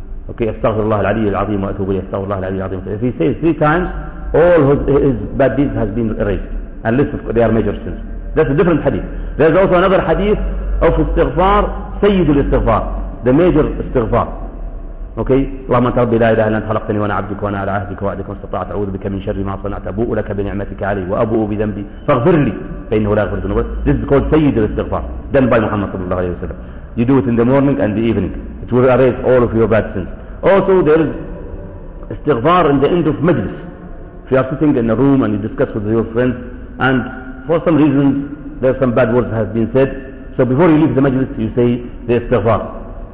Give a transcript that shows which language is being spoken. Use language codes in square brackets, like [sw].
[en] Okay, [ar] Astaghfirullah al-Ali al-Azim wa atubu ilayh. [en] Astaghfirullah al-Ali al-Azim wa atubu ilayh. If he says 3 times, all his bad deeds has been erased. Unless they are major sins. That's a different hadith. There is also another hadith of istighfar, Sayyidul istighfar, the major istighfar. [ar] Okay, اللهم انت ربي لا اله الا انت خلقتني وانا عبدك وانا على عهدك ووعدك ما استطعت اعوذ بك من شر ما صنعت ابوء لك بنعمتك علي وابوء بذنبي فاغفر لي فانه لا يغفر الذنوب. [en] This is called سيد الاستغفار done by محمد صلى الله عليه وسلم. You do it in the morning and the evening. It will erase all of your bad sins. Also, there is استغفار in the end of مجلس. If you are sitting in a room and you discuss with your friends and for some reason there are some bad words have been said, so before you leave the مجلس you say the استغفار.